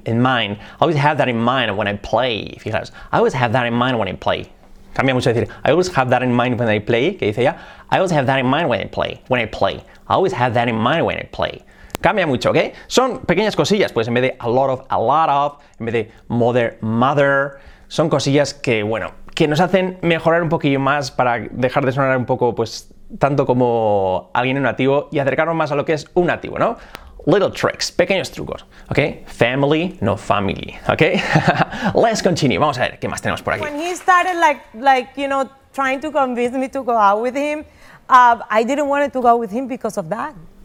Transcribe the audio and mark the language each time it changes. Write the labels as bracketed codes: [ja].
[en] I always have that in mind when I play. [es] Fijaros, [en] I always have that in mind when I play. [es] Cambia mucho decir, [en] I always have that in mind when I play. [es] ¿Qué dice ya? [en] I always have that in mind when I play. I always have that in mind when I play. [es] Cambia mucho, ¿ok? Son pequeñas cosillas, pues en vez de [en] a lot of, [es] en vez de mother, son cosillas que, bueno, que nos hacen mejorar un poquillo más para dejar de sonar un poco, pues, tanto como alguien nativo y acercarnos más a lo que es un nativo, ¿no? [en] Little tricks, [es] pequeños trucos, [en] ¿ok? Family, no family, ¿ok? Let's continue, [es] vamos a ver qué más tenemos por aquí. [en] When he started like, you know, trying to convince me to go out with him, I didn't want to go with him because of that.